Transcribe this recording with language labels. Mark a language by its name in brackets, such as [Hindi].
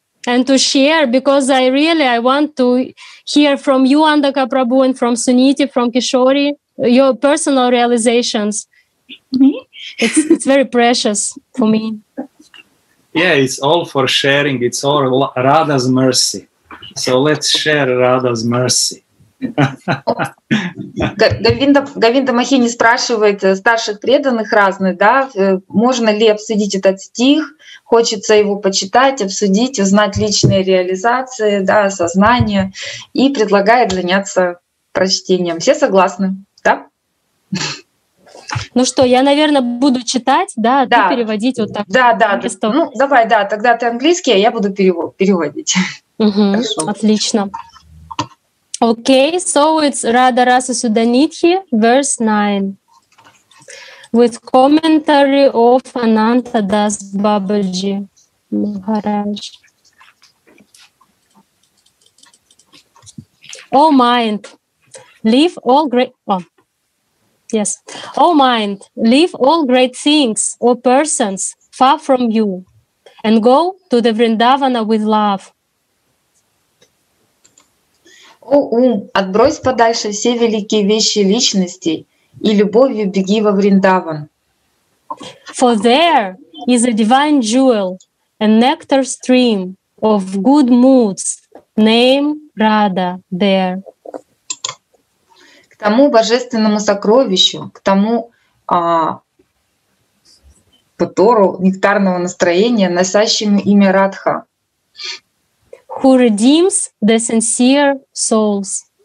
[English] And to share, because I really want to hear from you, Andaka Prabhu, and from Suniti, from Kishori, your personal realizations. Me? It's very precious for me. Yeah, it's all for sharing. It's all Radha's mercy. So let's share Radha's mercy. [Russian] Говинда Махини спрашивает старших преданных разных, да, можно ли обсудить этот стих, хочется его почитать, обсудить, узнать личные реализации, да, осознание, и предлагает заняться прочтением. Все согласны, да? Ну что, я, наверное, буду читать, да, да. Ты переводить вот так. Да, да, да. Ну, давай, да, тогда ты английский, а я буду переводить. Угу, хорошо. Отлично. [English] Okay, so it's Radha Rasa Sudanidhi, verse 9. With commentary of Ananta Das Babaji Maharaj. Oh mind, leave all great... Oh. Yes. O mind, leave all great things or persons far from you and go to the Vrindavana with love. [Russian] О ум, отбрось подальше все великие вещи и личности и любовью беги во Вриндаван. [English] For there is a divine jewel, a nectar stream of good moods, name Radha there. [Russian] К тому божественному сокровищу, к тому потору нектарного настроения, носящему имя Радха. [English] Who redeems the sincere souls.